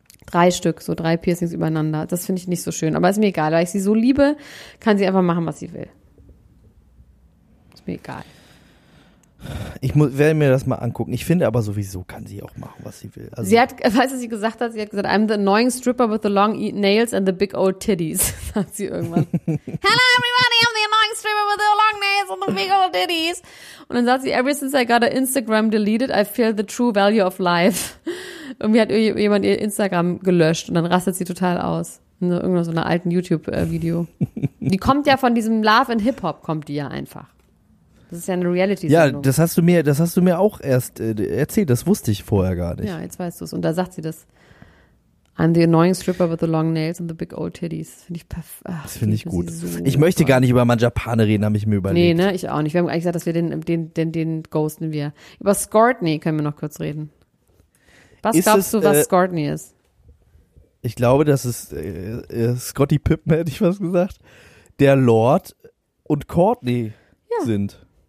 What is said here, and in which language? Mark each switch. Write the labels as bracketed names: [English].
[German] Drei Stück, so drei Piercings übereinander. Das finde ich nicht so schön, aber ist mir egal, weil ich sie so liebe, kann sie einfach machen, was sie will. Ist mir egal. Ich werde mir das mal angucken. Ich finde aber sowieso, kann sie auch machen, was sie will. Also sie hat, weißt du, was sie gesagt hat? Sie hat gesagt, [English] I'm the annoying stripper with the long nails and the big old titties, [German] sagt sie irgendwann. [English] Hello everybody, I'm the annoying stripper with the long nails and the big old titties. [German] Und dann sagt sie, [English] ever since I got an Instagram deleted, I feel the true value of life. [German] Irgendwie hat jemand ihr Instagram gelöscht und dann rastet sie total aus. In irgendeiner so einer alten YouTube-Video. Die kommt ja von diesem Love and Hip-Hop, kommt die ja einfach. Das ist ja eine Reality-Sendung. Ja, das hast du mir auch erst erzählt. Das wusste ich vorher gar nicht. Ja, jetzt weißt du es. Und da sagt sie das. [English] I'm the annoying stripper with the long nails and the big old titties. [German] Finde ich perfekt. Das finde ich gut. Ich möchte gar nicht über Manjapane reden, habe ich mir überlegt. Nee, ne? Ich auch nicht. Wir haben eigentlich gesagt, dass wir den ghosten wir. Über Scortney können wir noch kurz reden. Was ist glaubst es, du, was Scortney ist? Ich glaube, das ist Scotty Pippen, hätte ich was gesagt. Der Lord und Courtney sind.